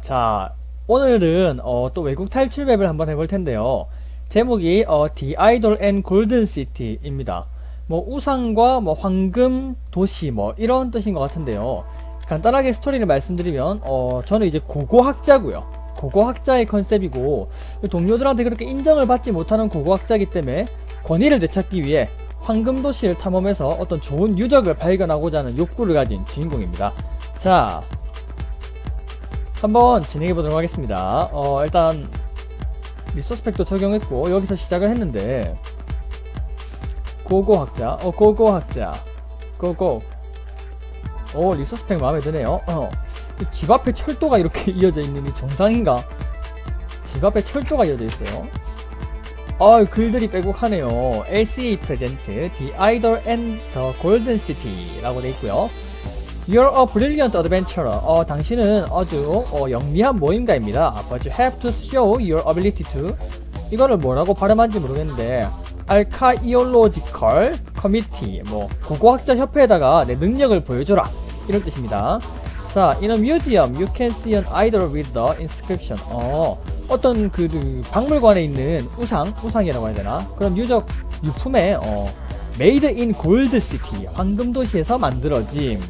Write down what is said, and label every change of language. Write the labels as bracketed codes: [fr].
[ko] 자, 오늘은, 또 외국 탈출 맵을 한번 해볼 텐데요. 제목이, The Idol and Golden City입니다. 뭐, 우상과, 뭐, 황금, 도시, 뭐, 이런 뜻인 것 같은데요. 간단하게 스토리를 말씀드리면, 저는 이제 고고학자고요. 고고학자의 컨셉이고, 동료들한테 그렇게 인정을 받지 못하는 고고학자이기 때문에 권위를 되찾기 위해 황금 도시를 탐험해서 어떤 좋은 유적을 발견하고자 하는 욕구를 가진 주인공입니다. 자, 한번 진행해 보도록 하겠습니다. 일단 리소스펙도 적용했고 여기서 시작을 했는데 고고학자, 고고학자, 고고. 오, 리소스펙 마음에 드네요. 집 앞에 철도가 이렇게 이어져 있는 게 정상인가? 집 앞에 철도가 이어져 있어요. 글들이 빼곡하네요. LCA Present The Idol and the Golden City라고 돼 있고요. [en] You're a brilliant adventurer. [ko] 당신은 아주 영리한 모임가입니다. [en] But you have to show your ability to [ko] 이거를 뭐라고 발음하는지 모르겠는데 Archaeological Committee 뭐 고고학자 협회에다가 내 능력을 보여줘라 이런 뜻입니다. [en] 자, in a museum, you can see an idol with the inscription. [ko] 어떤 그 박물관에 있는 우상이라고 해야 되나? 그런 유적 유품에 [en] Made in Gold City, [ko] 황금 도시에서 만들어짐.